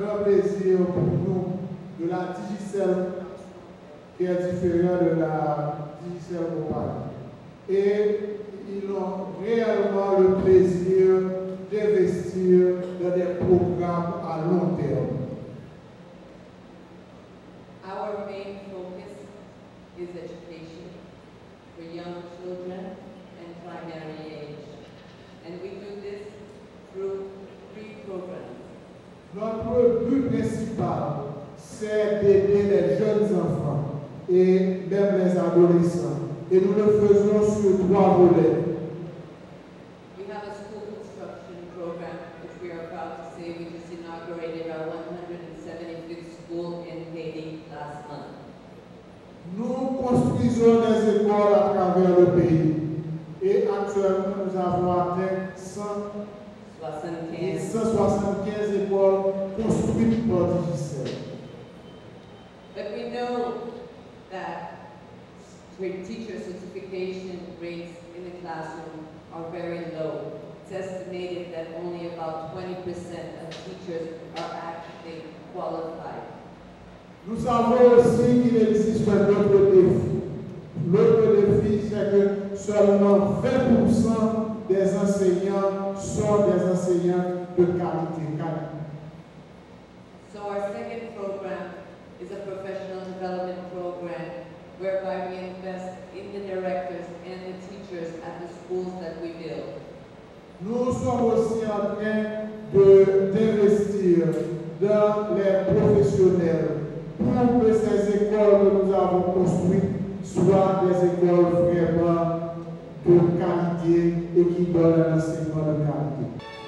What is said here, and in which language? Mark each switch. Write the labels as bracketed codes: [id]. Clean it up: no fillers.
[fr] digicelle qui est différente de la digicelle normale. Et ils ont réellement le plaisir d'investir dans des programmes à long terme. [en] Our main focus is education for young children and primary age. And we do this through three programs. [fr] Notre but principal, c'est d'aider les jeunes enfants et même les adolescents. Et nous le faisons sur trois volets. [en] We have a school construction program which we are proud to say we just inaugurated our 175th school in Haiti last month. [fr] Nous construisons des écoles à travers le pays. Et actuellement, nous avons atteint 175 écoles construites par Digicelle. [en] But we know that with teacher certification rates in the classroom are very low. It's estimated that only about 20% of teachers are actually qualified. [fr] Nous savons aussi qu'il existe un autre défi. L'autre défi, c'est que seulement 20% des enseignants sont des enseignants de qualité. [en] So our second program is a professional development program whereby we invest in the directors and the teachers at the schools that we build. [fr] Nous sommes aussi en train d'investir dans les professionnels pour que ces écoles que nous avons construites soient des écoles vraiment de qualité et qui donnent un enseignement de qualité.